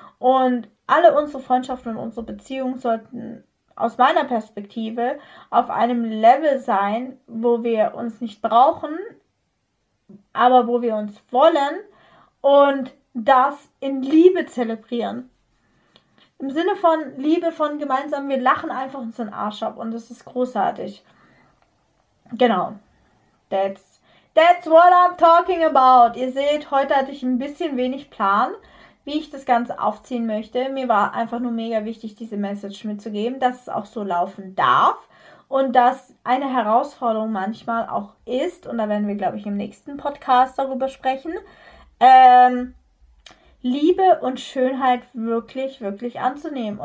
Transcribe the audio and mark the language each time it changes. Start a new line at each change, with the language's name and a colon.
German: Und alle unsere Freundschaften und unsere Beziehungen sollten aus meiner Perspektive auf einem Level sein, wo wir uns nicht brauchen, aber wo wir uns wollen und das in Liebe zelebrieren. Im Sinne von Liebe, von gemeinsam, wir lachen einfach unseren Arsch ab und das ist großartig. Genau.
English: That's what I'm talking about.
German: Ihr seht, heute hatte ich ein bisschen wenig Plan, wie ich das Ganze aufziehen möchte. Mir war einfach nur mega wichtig, diese Message mitzugeben, dass es auch so laufen darf und dass eine Herausforderung manchmal auch ist, und da werden wir, glaube ich, im nächsten Podcast darüber sprechen, Liebe und Schönheit wirklich, wirklich anzunehmen.